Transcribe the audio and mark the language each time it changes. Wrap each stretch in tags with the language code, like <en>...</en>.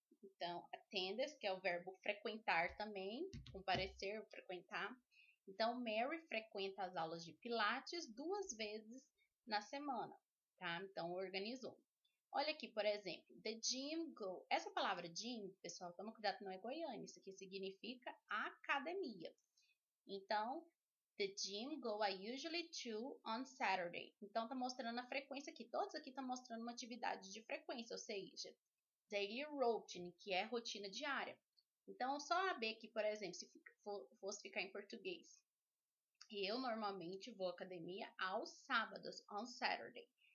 <pt>Então, attendes, que é o verbo frequentar também, comparecer, frequentar. Então, Mary frequenta as aulas de Pilates 2 vezes na semana, tá? Então, organizou. Olha aqui, por exemplo,</pt> <en>the gym go.</en> <pt>Essa palavra gym, pessoal, toma cuidado, não é Goiânia. Isso aqui significa academia.</pt> <en>Então, the gym go I usually to on Saturday.</en> <pt>Então, tá mostrando a frequência aqui. Todos aqui estão mostrando uma atividade de frequência, ou seja, daily routine, que é rotina diária. Então, só saber aqui, por exemplo, se fosse ficar em português. Eu normalmente vou à academia aos sábados,</pt> <en>on Saturday.</en>